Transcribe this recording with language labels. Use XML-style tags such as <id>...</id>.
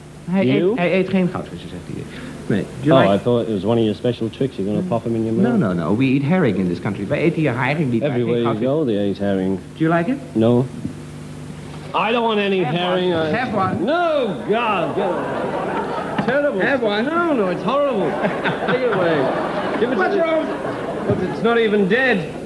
<nl>Hij eet geen goudvissen, zegt hij.</nl> <en>Nee. Oh, like... I thought it was one of your special tricks. You're going to pop them in your mouth. No, no, no. We eat herring in this country.</en> <nl>We eten hier herring niet.</nl> <en>Everywhere you go, they eat herring. Do you like it? No. I don't want any herring. Have one. No, God. Terrible. Have one. No, no, it's horrible. Take it away. Give it to me. But it's not even dead.</en>